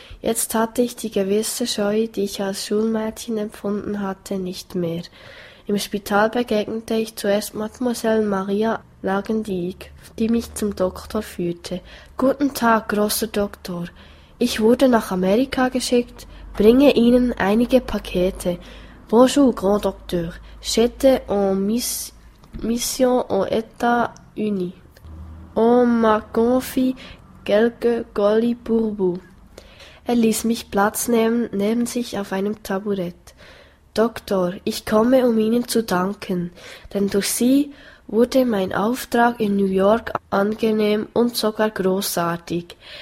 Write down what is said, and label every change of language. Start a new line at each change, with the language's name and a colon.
German: Jetzt hatte ich die gewisse Scheu, die ich als Schulmädchen empfunden hatte, nicht mehr. Im Spital begegnete ich zuerst Mademoiselle Maria Lagendijk, die mich zum Doktor führte. »Guten Tag, großer Doktor. Ich wurde nach Amerika geschickt. Bringe Ihnen einige Pakete.
French: Bonjour, Grand Docteur. J'étais en mission aux États-Unis. On m'a confié quelques colis pour vous.«
German: Er ließ mich Platz nehmen, neben sich auf einem Taburett. »Doktor, ich komme, um Ihnen zu danken, denn durch Sie wurde mein Auftrag in New York angenehm und sogar großartig.